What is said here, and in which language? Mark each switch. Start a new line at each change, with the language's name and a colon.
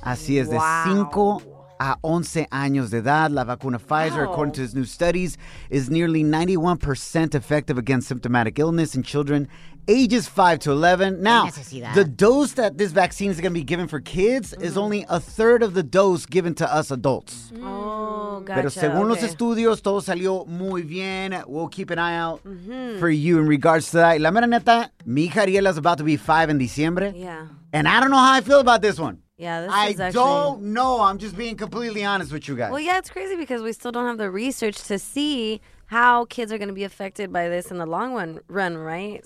Spanish: Así es, de 5 a 11 años de edad. La vacuna
English: Pfizer, according to his new studies, is nearly 91% effective against symptomatic illness in children ages 5 to 11. Now, the dose that this vaccine is going to be given for kids is only a third of the dose given to us adults. Gotcha.
Spanish: Pero según los estudios, todo salió muy bien.
English: We'll keep an eye out for you in regards to that.
Spanish: La mera neta, mi hija Ariela
English: is about to be 5 in
Spanish: diciembre.
English: Yeah. And I don't know how I feel about this one. I don't know. I'm just being completely honest with you guys. Well, yeah, it's crazy because we still don't have the research to see how kids are going to be affected by this in the long run, right?